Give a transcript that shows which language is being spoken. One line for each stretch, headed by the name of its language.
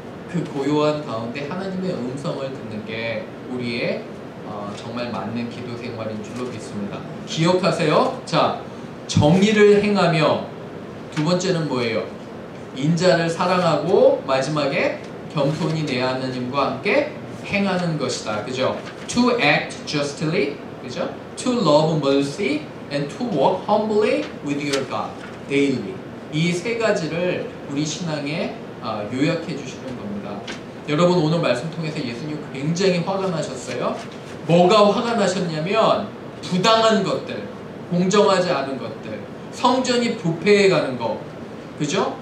Korean: 그 고요한 가운데 하나님의 음성을 듣는 게 우리의 정말 맞는 기도 생활인 줄로 믿습니다. 기억하세요. 자, 정의를 행하며 두 번째는 뭐예요? 인자를 사랑하고 마지막에 겸손히 내 하나님과 함께 행하는 것이다. 그죠?
English: To act justly, 그죠? To love mercy and to walk humbly with your God daily.
Korean: 이 세 가지를 우리 신앙에 요약해 주시는 겁니다. 여러분, 오늘 말씀 통해서 예수님 굉장히 화가 나셨어요. 뭐가 화가 나셨냐면 부당한 것들, 공정하지 않은 것들, 성전이 부패해 가는 것, 그죠?